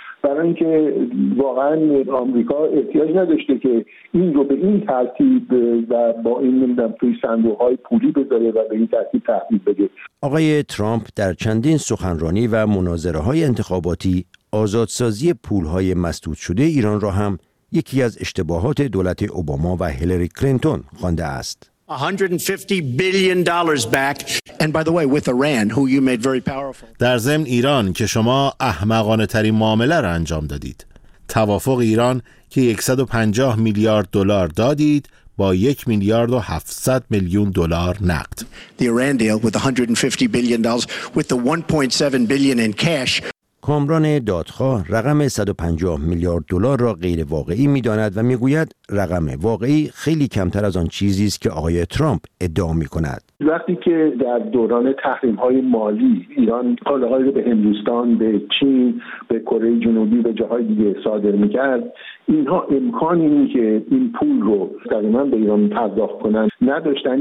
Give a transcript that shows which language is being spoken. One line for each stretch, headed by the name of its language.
Persian: برای اینکه واقعا آمریکا احتیاج نداشته که این رو به این ترتیب و با این نمیدونم توی صندوق‌های پولی بذاره و به این ترتیب تحویل بده. آقای ترامپ در چندین سخنرانی و مناظره‌های انتخاباتی آزادسازی پول‌های مسدود شده ایران را هم یکی از اشتباهات دولت اوباما و هیلری کلینتون خوانده است.
English: $150 billion back, and by the way, with Iran, who you made very powerful.
Persian: در ضمن ایران که شما احمقانه ترین معامله را انجام دادید. توافق ایران که $150 میلیارد دادید با $1,700,000,000 نقد.
English: The Iran deal with $150 billion with the $1.7 billion in cash.
Persian: کامران دادخواه رقم $150 میلیارد را غیر واقعی می‌داند و می‌گوید رقم واقعی خیلی کمتر از آن چیزی است که آقای ترامپ ادعا می‌کند. وقتی که در دوران تحریم‌های مالی ایران کالاهای به هندوستان، به چین، به کره جنوبی و جاهای دیگه صادر می‌کرد، اینها امکان اینی که این پول رو تقریباً به ایران پرداخت کنند نداشتن.